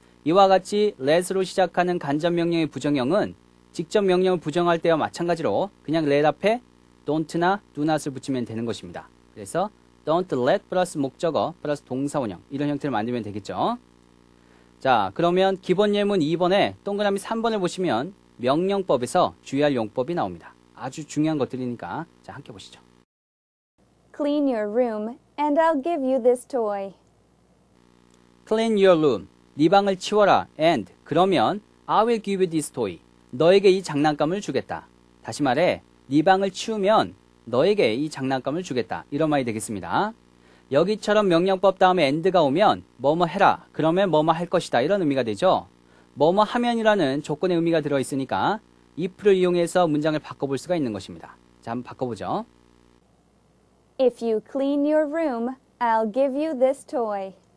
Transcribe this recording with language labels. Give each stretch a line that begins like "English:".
Korean: 이와 같이 let으로 시작하는 간접 명령의 부정형은 직접 명령을 부정할 때와 마찬가지로 그냥 let 앞에 don't나 do not을 붙이면 되는 것입니다. 그래서 don't let 플러스 목적어 플러스 동사원형 이런 형태를 만들면 되겠죠. 자, 그러면 기본 예문 2번에 동그라미 3번을 보시면 명령법에서 주의할 용법이 나옵니다. 아주 중요한 것들이니까 자, 함께 보시죠.
English: Clean your room and I'll give you this toy. Clean your room.
Korean: 네 방을 치워라.
English: And
Korean: 그러면
English: I will give you this toy.
Korean: 너에게 이 장난감을 주겠다. 다시 말해 네 방을 치우면 너에게 이 장난감을 주겠다. 이런 말이 되겠습니다. 여기처럼 명령법 다음에 and가 오면 뭐뭐 해라. 그러면 뭐뭐 할 것이다. 이런 의미가 되죠. 뭐뭐 하면이라는 조건의 의미가 들어있으니까 if를 이용해서 문장을 바꿔볼 수가 있는 것입니다. 자, 한번 바꿔보죠.
English: If you clean your room, I'll give you this toy.